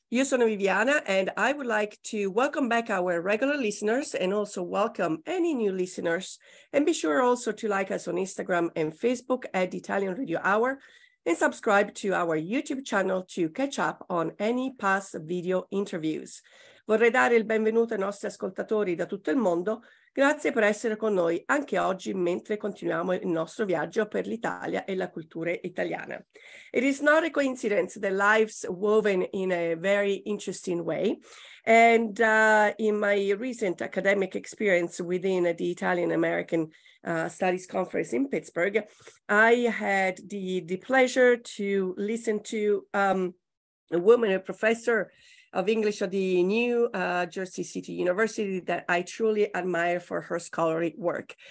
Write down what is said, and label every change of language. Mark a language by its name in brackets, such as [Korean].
[Italian] Io sono Viviana, [English] and I would like to welcome back our regular listeners and also welcome any new listeners. And be sure also to like us on Instagram and Facebook at the Italian Radio Hour and subscribe to our YouTube channel to catch up on any past video interviews. [Italian] Vorrei dare il benvenuto ai nostri ascoltatori da tutto il mondo. Grazie per essere con noi anche oggi mentre continuiamo il nostro viaggio per l'Italia e la cultura italiana. [English] It is not a coincidence that lives woven in a very interesting way. And in my recent academic experience within the Italian-American Studies Conference in Pittsburgh, I had the pleasure to listen to a woman, a professor of English at the New Jersey City University that I truly admire for her scholarly work.